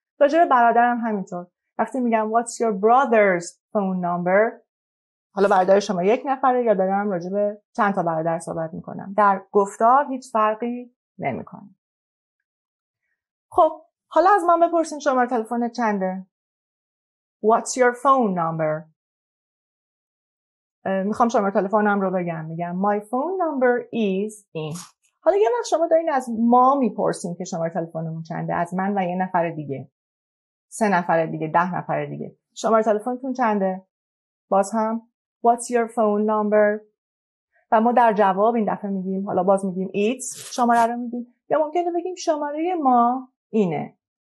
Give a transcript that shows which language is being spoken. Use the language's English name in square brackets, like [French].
[Persian] راجع به برادرم همینطور. وقتی میگم [English] What's your brother's phone number؟ [Persian] حالا برادر شما یک نفره یا دارم راجع به چند تا برادر صحبت میکنم. در گفتار هیچ فرقی نمی کنه. خب حالا از من بپرسیم شماره تلفن چنده؟ [English] What's your phone number؟ [Persian] میخوام شماره تلفنم رو بگم. میگم [English] My phone number is [Persian] این. حالا یه وقت شما دارین از ما میپرسیم که شماره تلفنمون چنده، از من و یه نفر دیگه، سه نفر دیگه، ده نفر دیگه، شماره تلفنتون چنده؟ باز هم [English] What's your phone number؟ [Persian] و ما در جواب این دفعه میگیم، حالا باز میگیم It's، شماره رو میگیم، یا ممکنه بگیم شماره ما اینه.